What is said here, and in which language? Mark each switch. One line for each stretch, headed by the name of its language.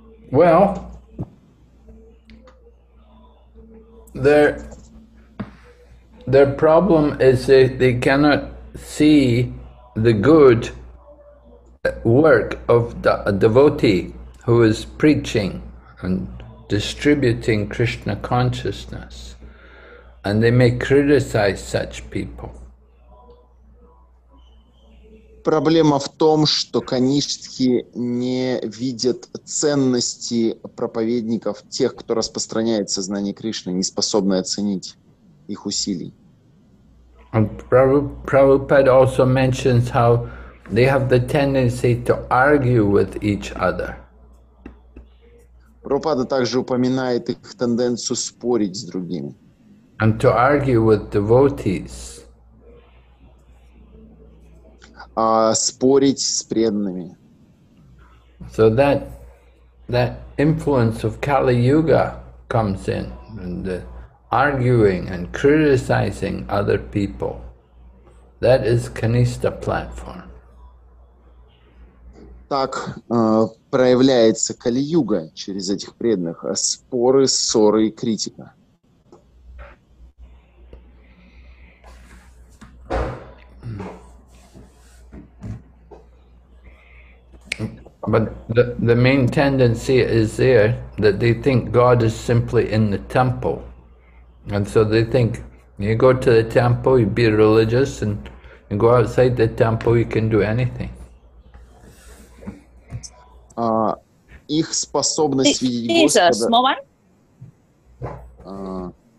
English: Well, their problem is that they cannot see the good work of a devotee who is preaching and distributing Krishna consciousness, and they may criticize such people.
Russian: Проблема в том, что Канишки не видят ценности проповедников, тех, кто распространяет сознание Кришны, не способны оценить их усилий.
English: And Prabhupada also mentions how they have the tendency to argue with each other.
Russian: Прабхупада также упоминает их тенденцию спорить с другими.
English: And to argue with devotees.
Russian: Спорить с преданными.
English: So that influence of Kali Yuga comes in, and the arguing and criticizing other people. That is Kanishtha platform.
Russian: Так проявляется Кали-юга через этих преданных, а споры, ссоры и критика. Mm.
English: But the main tendency is there that they think God is simply in the temple. And so they think you go to the temple, you be religious, and you go outside the temple, you can do anything.
Russian: Их способность видеть Господа.